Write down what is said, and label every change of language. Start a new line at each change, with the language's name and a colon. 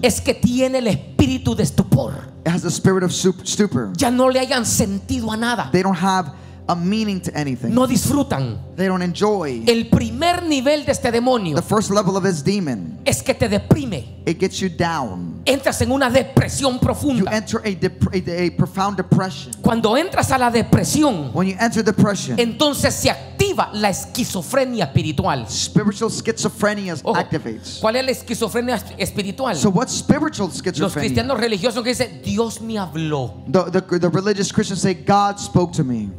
Spanish: es que tiene el espíritu de estupor.
English: It has the spirit of stupor.
Spanish: Ya no le hayan sentido a nada.
English: They don't have a meaning to anything.
Spanish: No disfrutan.
English: They don't enjoy.
Spanish: El primer nivel de este demonio,
English: the first level of this demon,
Spanish: es que te deprime.
English: It gets you down.
Spanish: Entras en una depresión profunda.
English: You enter a profound depression.
Spanish: Cuando entras a la depresión,
English: when you enter depression,
Spanish: entonces se activa la esquizofrenia espiritual.
English: Spiritual schizophrenia activates.
Spanish: ¿Cuál es la esquizofrenia espiritual?
English: So what's spiritual schizophrenia?
Spanish: Los cristianos religiosos que dicen, Dios me habló.
English: The religious Christians say, God spoke to me.